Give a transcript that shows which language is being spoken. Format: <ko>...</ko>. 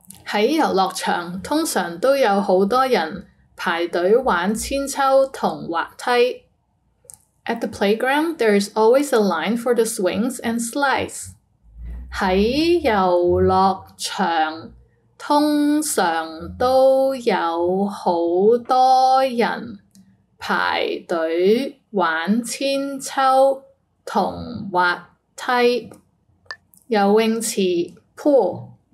<yue>在游乐场通常都有很多人排队玩千秋和滑梯</yue> <en>At the playground, there is always a line for the swings and slides</en> <yue>在游乐场通常都有很多人排队玩千秋和滑梯梯游泳池 pool</yue>